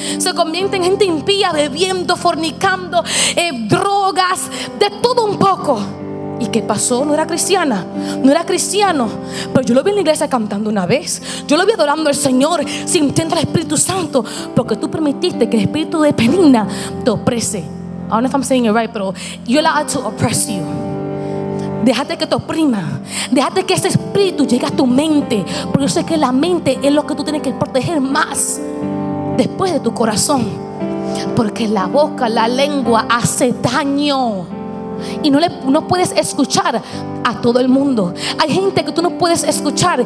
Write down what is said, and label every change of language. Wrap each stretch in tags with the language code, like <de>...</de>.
<es>Se convierten en gente impía, bebiendo, fornicando, drogas, de todo un poco. ¿Y qué pasó? No era cristiana, no era cristiano, pero yo lo vi en la iglesia cantando una vez. Yo lo vi adorando al Señor, sintiendo al Espíritu Santo, porque tú permitiste que el espíritu de Penina te oprese.</es> <en>I don't know if I'm saying it right,</en> <es>pero</es> <en>you allowed to oppress you.</en> <es>Déjate que te oprima. Déjate que ese espíritu llegue a tu mente. Porque yo sé que la mente es lo que tú tienes que proteger más después de tu corazón. Porque la boca, la lengua hace daño. Y no puedes escuchar a todo el mundo. Hay gente que tú no puedes escuchar.</es>